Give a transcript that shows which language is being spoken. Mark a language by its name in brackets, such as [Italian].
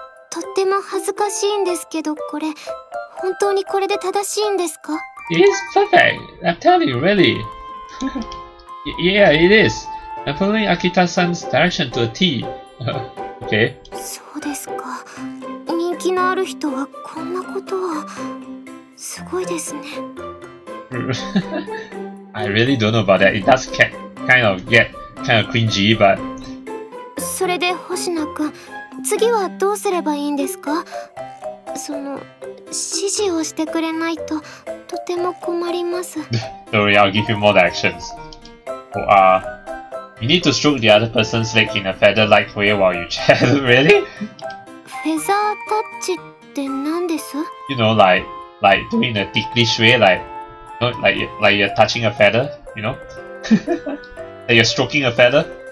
[Japanese] とっても恥ずかしいんですけど、これ本当にこれで正しいんですか? [English] It is perfect. I'm telling you, really. Yeah, it is. I'm following Akita-san's direction to a T. Okay. [Japanese] そうですか。人気のある人はこんなことは。すごいですね。 [English] I really don't know about that. It does kind of cringy, but. [Japanese] それで星野くん、次はどうすればいいんですか? その、指示をしてくれないと、とても困ります。 [English] Don't worry, I'll give you more directions. You need to stroke the other person's leg in a feather-like way while you chat. Really? [Japanese] Feather touch って何です? [English] You know, like doing a ticklish way, like you're touching a feather, you know? Like you're stroking a feather.